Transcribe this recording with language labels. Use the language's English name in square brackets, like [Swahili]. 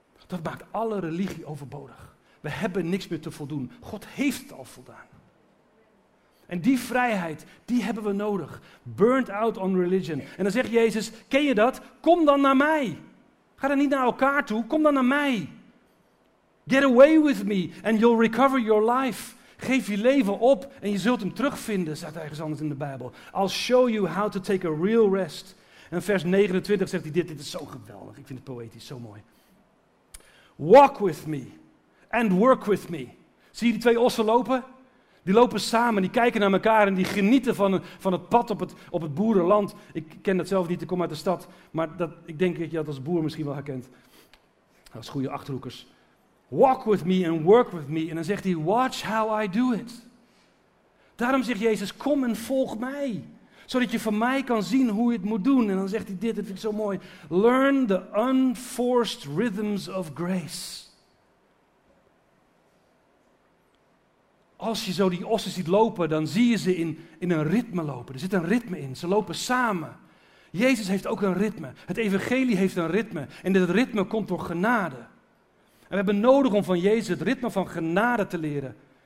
[Dutch] Dat maakt alle religie overbodig. We hebben niks meer te voldoen. God heeft het al voldaan. En die vrijheid, die hebben we nodig. [English] Burnt out on religion. [Dutch] En dan zegt Jezus, ken je dat? Kom dan naar mij. Ga dan niet naar elkaar toe, kom dan naar mij. [English] Get away with me and you'll recover your life. [Dutch] Geef je leven op en je zult hem terugvinden, staat ergens anders in de Bijbel. [English] I'll show you how to take a real rest. [Dutch] En vers 29 zegt hij dit is zo geweldig. Ik vind het poëtisch, zo mooi. [English] Walk with me and work with me. [Dutch] Zie je die twee ossen lopen? Die lopen samen, die kijken naar elkaar en die genieten van het pad op het boerenland. Ik ken dat zelf niet, ik kom uit de stad. Maar dat, ik denk dat je dat als boer misschien wel herkent. Als goede Achterhoekers. [English] Walk with me and work with me. [Dutch] En dan zegt hij, [English] watch how I do it. [Dutch] Daarom zegt Jezus, kom en volg mij. Zodat je van mij kan zien hoe je het moet doen. En dan zegt hij dit, dat vind ik zo mooi. [English] Learn the unforced rhythms of grace. [Dutch] Als je zo die ossen ziet lopen, dan zie je ze in een ritme lopen. Er zit een ritme in, ze lopen samen. Jezus heeft ook een ritme. Het evangelie heeft een ritme. En dat ritme komt door genade. En we hebben nodig om van Jezus het ritme van genade te leren.